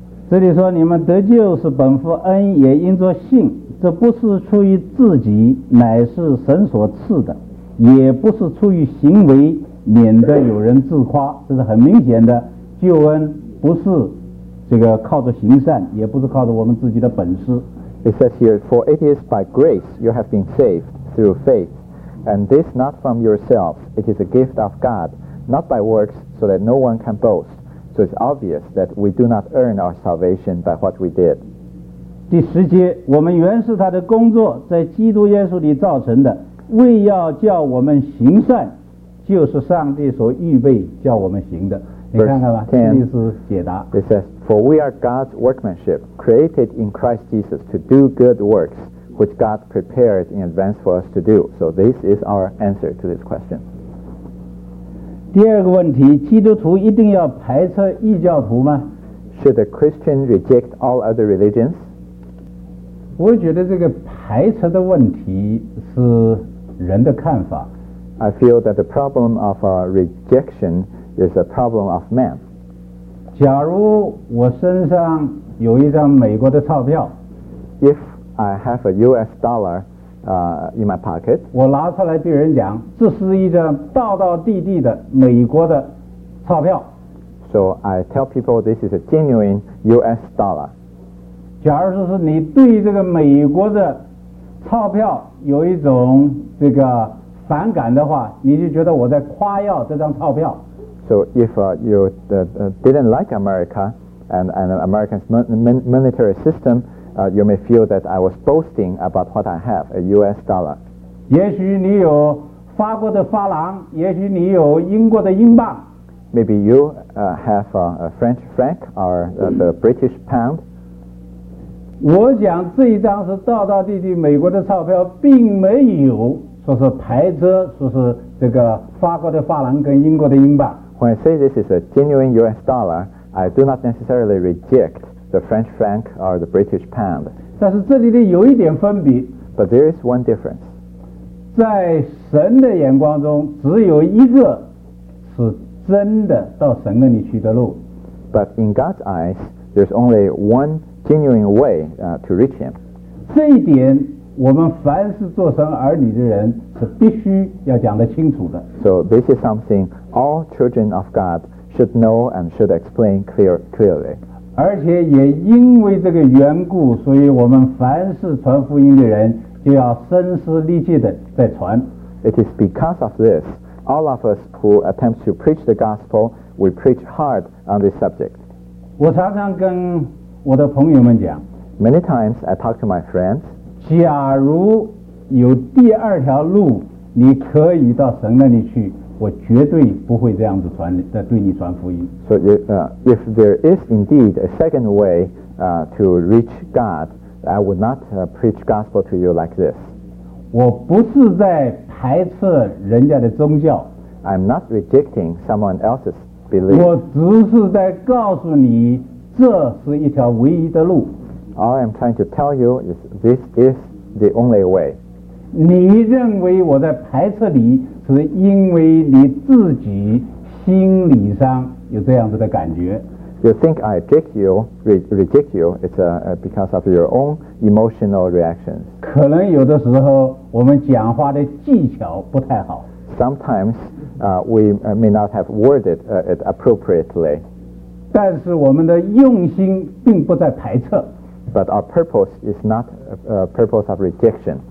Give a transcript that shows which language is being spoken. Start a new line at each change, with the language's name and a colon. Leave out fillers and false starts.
Chinese: 这里说，你们得救是本乎恩，也因着信。这不是出于自己，乃是神所赐的；也不是出于行为，免得有人自夸。这是很明显的，救恩不是这个靠着行善，也不是靠着我们自己的本事。
English: It says here, for it is by grace you have been saved through faith, and this not from yourselves; it is a gift of God, not by works, so that no one can boast. So it's obvious that we do not earn our salvation by what we did.
Chinese: 第十节，我们原是他的工作，在基督耶稣里造成的，为要叫我们行善，就是上帝所预备叫我们行的。
English: Verse 10, it says, For we are God's workmanship, created in Christ Jesus to do good works, which God prepared in advance for us to do. So this is our answer to this question.
Chinese: 第二个问题，基督徒一定要排斥异教徒吗？
English: Should a Christian reject all other religions?
Chinese: 我觉得这个排斥的问题是人的看法。
English: I feel that the problem of our rejection is a problem of man.
Chinese: 假如我身上有一张美国的钞票，
English: If I have a US dollar in my pocket,
Chinese: 我拿出来对人讲，这是一张道道地地的美国的钞票。
English: So I tell people this is a genuine US dollar.
Chinese: 假如说是你对这个美国的钞票有一种这个反感的话，你就觉得我在夸耀这张钞票。
English: So if you didn't like America and America's monetary system, you may feel that I was boasting about what I have, a US dollar.
Chinese: 也许你有法国的法郎，也许你有英国的英镑。
English: Maybe you have a French franc or the British pound.
Chinese: 我讲这一张是道道地地美国的钞票，并没有说是台车，说是这个法国的法郎跟英国的英镑。
English: When I say this is a genuine US dollar, I do not necessarily reject the French franc or the British pound.
Chinese: 但是这里的有一点分别。
English: But there is one difference.
Chinese: 在神的眼光中，只有一个是真的到神那里去的路。
English: But in God's eyes, there's only one genuine way to reach Him.
Chinese: 这一点我们凡是做神儿女的人是必须要讲得清楚的。
English: So this is something all children of God should know and should explain clearly.
Chinese: 而且也因为这个缘故，所以我们凡是传福音的人就要声嘶力竭的在传。
English: It is because of this, all of us who attempt to preach the gospel, we preach hard on this subject.
Chinese: 我常常跟我的朋友们讲。
English: Many times I talk to my friends.
Chinese: 假如有第二条路，你可以到神那里去，我绝对不会这样子传，对你传福音。
English: So if there is indeed a second way to reach God, I would not preach gospel to you like this.
Chinese: 我不是在排斥人家的宗教。
English: I'm not rejecting someone else's belief.
Chinese: 我只是在告诉你，这是一条唯一的路。
English: All I'm trying to tell you is this is the only way.
Chinese: 你认为我在排斥你，是因为你自己心理上有这样子的感觉。
English: You think I reject you, it's because of your own emotional reactions.
Chinese: 可能有的时候我们讲话的技巧不太好。
English: Sometimes we may not have worded it appropriately.
Chinese: 但是我们的用心并不在排斥。
English: But our purpose is not a purpose of rejection.